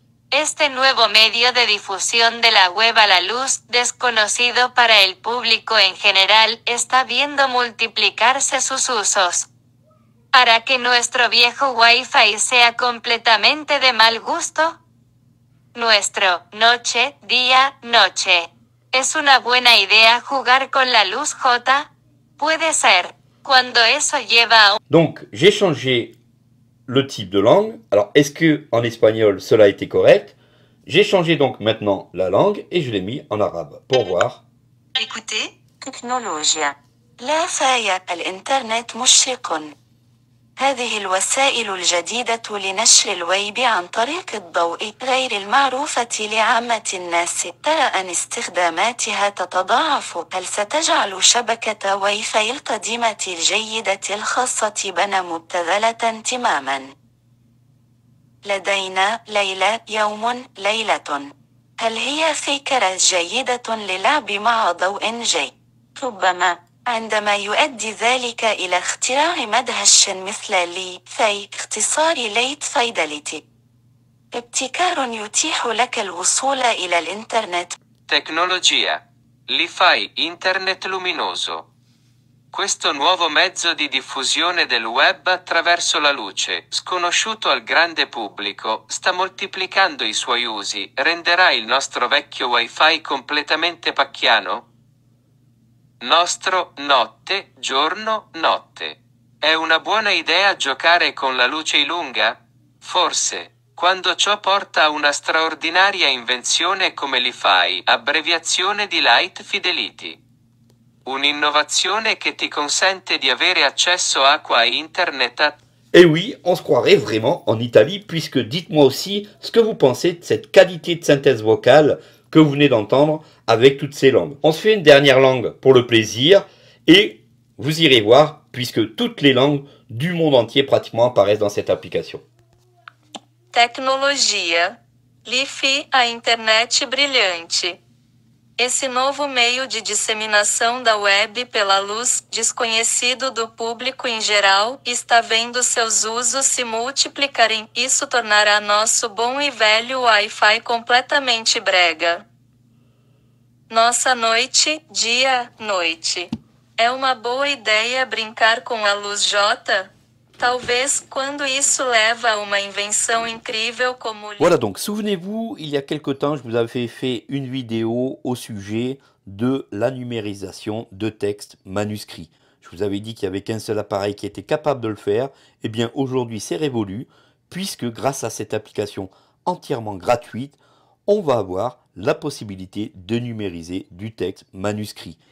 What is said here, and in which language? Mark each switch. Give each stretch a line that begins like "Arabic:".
Spanish: Este nuevo medio de difusión de la web a la luz, desconocido para el público en general, está viendo multiplicarse sus usos. Para que nuestro viejo Wi-Fi sea completamente de mal gusto. Nuestro, noche, día, noche. ¿Es una buena idea jugar con la luz J? Puede ser. Cuando eso lleva a...
French: Donc, j'ai changé le type de langue. Alors, est-ce que en espagnol, cela a été correct? J'ai changé donc maintenant la langue et je l'ai mis en arabe pour voir. Écoutez. Technologie. La faille à l'internet mouchikon.
Arabic: هذه الوسائل الجديدة لنشر الويب عن طريق الضوء غير المعروفة لعامة الناس. ترى أن استخداماتها تتضاعف. هل ستجعل شبكة واي فاي القديمة الجيدة الخاصة بنا مبتذلة تماما؟ لدينا ليلة يوم ليلة. هل هي فكرة جيدة للعب مع ضوء جي؟ ربما. عندما يؤدي ذلك إلى اختراع مدهش مثل لي في اختصار ليت فايداليتي. ابتكار يتيح لك الوصول إلى الإنترنت. تكنولوجيا. لي فاي إنترنت لومينوزو.
Italian: Questo nuovo mezzo di diffusione del web attraverso la luce, sconosciuto al grande pubblico, sta moltiplicando i suoi usi, renderà il nostro vecchio Wi-Fi completamente pacchiano? Nostro, notte, giorno, notte. È una buona idea giocare con la luce ilunga? Forse. Quando ciò porta a una straordinaria invenzione come LiFi, abbreviazione di Light Fidelity. Un'innovazione che ti consente di avere accesso acqua e internet a...
French: Eh oui, on se croirait vraiment en Italie, puisque dites-moi aussi ce que vous pensez de cette qualité de synthèse vocale que vous venez d'entendre avec toutes ces langues. On se fait une dernière langue pour le plaisir et vous irez voir puisque toutes les langues du monde entier pratiquement apparaissent dans cette application.
Portuguese: Tecnologia. Lifi a internet brilhante. Esse novo meio de disseminação da web pela luz, desconhecido do público em geral, está vendo seus usos se multiplicarem. Isso tornará nosso bom e velho Wi-Fi completamente brega. Nossa noite, dia, noite. É uma boa ideia brincar com a luz J? Talvez quando isso leva a uma invenção incrível como...
French: Voilà, donc souvenez-vous, il y a quelque temps, je vous avais fait une vidéo au sujet de la numérisation de textes manuscrits. Je vous avais dit qu'il n'y avait qu'un seul appareil qui était capable de le faire. Eh bien, aujourd'hui, c'est révolu, puisque grâce à cette application entièrement gratuite, on va avoir la possibilité de numériser du texte manuscrit.